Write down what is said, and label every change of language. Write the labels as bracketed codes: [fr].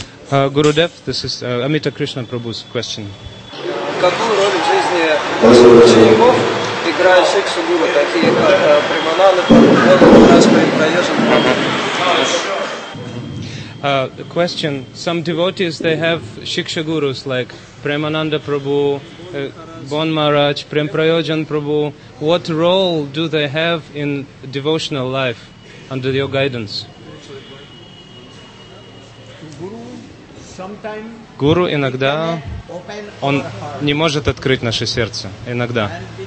[en] Гурудев, this is Amita Krishna Prabhu's question. [ru] Какую роль в жизни учеников играют Шикшу Гуру, такие как Примананда, Прабхупада, Прайожан Прабхупада? [en] The question, some devotees, they have Shiksha Gurus like Premananda Prabhu, Bon Maharaj, Prem Prayojan Prabhu. What role do they have in devotional life under your guidance? Guru, sometimes [ru] Guru иногда, он не может открыть наше сердце, иногда.